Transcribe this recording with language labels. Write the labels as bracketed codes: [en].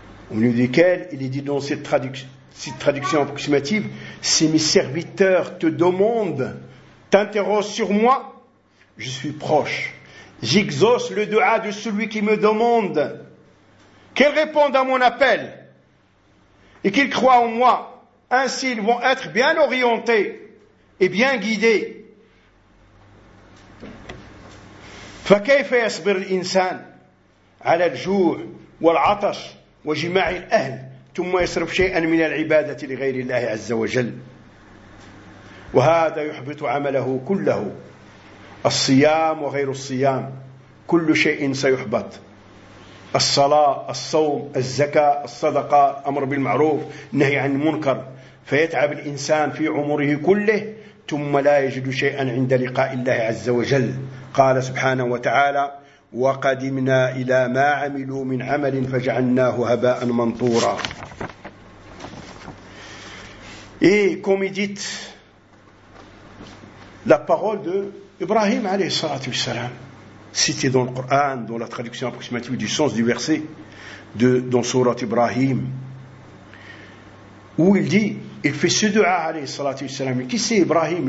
[fr] Au milieu desquels, il est dit dans cette traduction approximative, si mes serviteurs te demandent, t'interrogent sur moi, je suis proche. J'exauce le dua de celui qui me demande qu'ils répondent à mon appel et qu'ils croient en moi. Ainsi, ils vont être bien orientés et bien guidés. [ar] فَكَيْفَ يَصْبِرُ الْإِنسَانُ عَلَى الْجُوعِ وَالْعَطَشِ وَجِمَاعِ الْأَهْلِ ثم يصرف شيئا من العبادة لغير الله عز وجل وهذا يحبط عمله كله الصيام وغير الصيام كل شيء سيحبط الصلاة الصوم الزكاة الصدقة أمر بالمعروف نهي عن المنكر فيتعب الإنسان في عمره كله ثم لا يجد شيئا عند لقاء الله عز وجل قال سبحانه وتعالى وقدمنا إلى ما عملوا من عمل فجعلناه هباء منثورا. [fr] Et comme il dit la parole de Ibrahim alayhi salatu wassalam, citée dans le Coran, dans la traduction approximative du sens du verset, dans Sourate Ibrahim, où il dit, il fait ce dua alayhi salatu wassalam. Qui c'est Ibrahim?